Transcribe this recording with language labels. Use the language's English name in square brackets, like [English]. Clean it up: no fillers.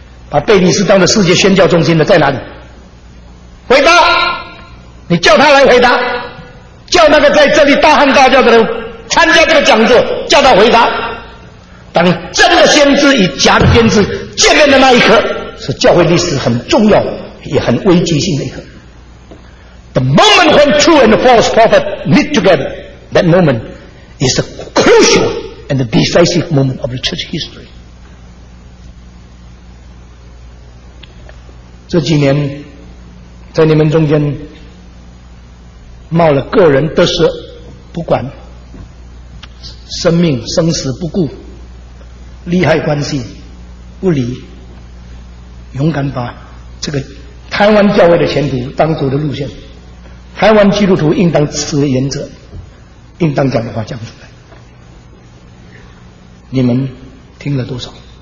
[Chinese] 把贝里斯当作世界宣教中心的在哪里？回答，你叫他来回答，叫那个在这里大喊大叫的人参加这个讲座，叫他回答。当真的先知与假的先知见面的那一刻，是教会历史很重要也很危机性的一刻。 [English] The moment when true and false prophet meet together, that moment is a crucial and a decisive moment of the church history. [Chinese] 这几年在你们中间冒了个人得失不管，生命生死不顾，利害关系不离，勇敢把这个台湾教会的前途当走的路线，台湾基督徒应当持的原则，应当讲的话讲出来，你们听了多少？